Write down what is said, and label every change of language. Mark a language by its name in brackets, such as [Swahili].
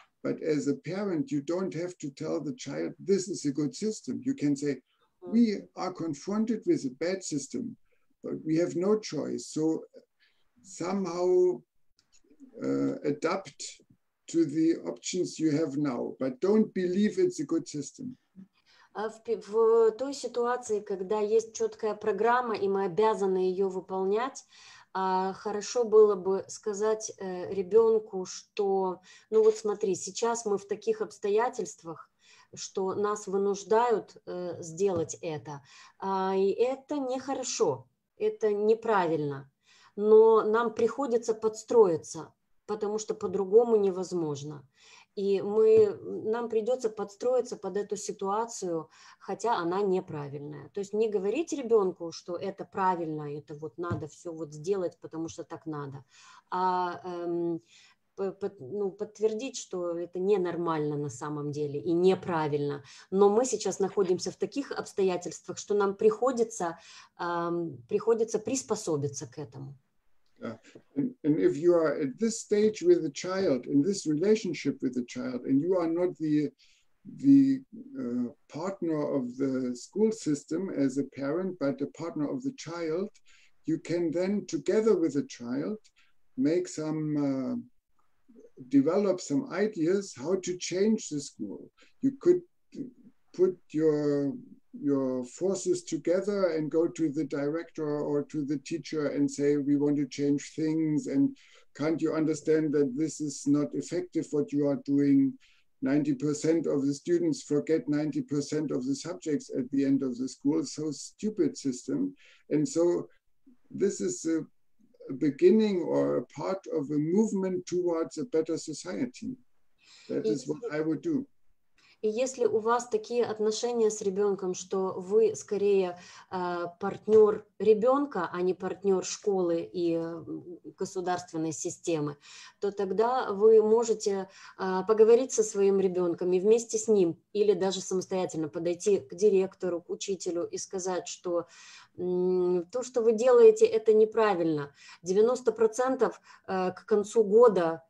[English] But as a parent, you don't have to tell the child, this is a good system. You can say, we are confronted with a bad system, but we have no choice. So somehow adapt to the options you have now, but don't believe it's a good system. [Russian] В той ситуации, когда есть четкая программа, и мы обязаны ее выполнять, хорошо было бы сказать ребенку, что, ну вот смотри, сейчас мы в таких обстоятельствах, что нас вынуждают сделать это, и это нехорошо, это неправильно, но нам приходится подстроиться, потому что по-другому невозможно. И нам придется подстроиться под эту ситуацию, хотя она неправильная. То есть не говорить ребенку, что это правильно, это вот надо все вот сделать, потому что так надо, а подтвердить, что это ненормально на самом деле и неправильно. Но мы сейчас находимся в таких обстоятельствах, что нам приходится приспособиться к этому. [English] And if you are at this stage with a child, in this relationship with a child, and you are not the partner of the school system as a parent, but the partner of the child, you can then together with a child make some, develop some ideas how to change the school. You could put your forces together and go to the director or to the teacher and say, we want to change things. And can't you understand that this is not effective what you are doing? 90% of the students forget 90% of the subjects at the end of the school. So stupid system. And so this is a beginning or a part of a movement towards a better society. That is what I would do. [Russian] И если у вас такие отношения с ребенком, что вы скорее партнер ребенка, а не партнер школы и государственной системы, то тогда вы можете поговорить со своим ребенком и вместе с ним или даже самостоятельно подойти к директору, к учителю и сказать, что то, что вы делаете, это неправильно. 90% к концу года